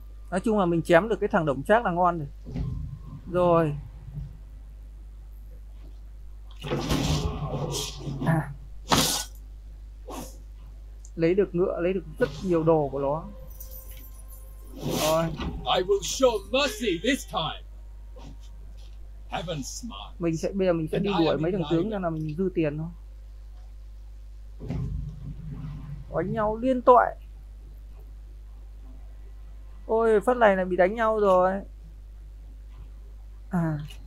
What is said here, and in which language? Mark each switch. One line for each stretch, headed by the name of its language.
Vietnamese: Nói chung là mình chém được cái thằng Đổng Trác là ngon rồi. Rồi. À. Lấy được ngựa, lấy được rất nhiều đồ của nó. Rồi.
English: I will show mercy this time. Heaven's smart.
Vietnamese: Mình sẽ bây giờ mình sẽ đi đuổi mấy thằng tướng cho là mình dư tiền thôi. Đánh nhau liên tội. Ôi, phát này lại bị đánh nhau rồi. À.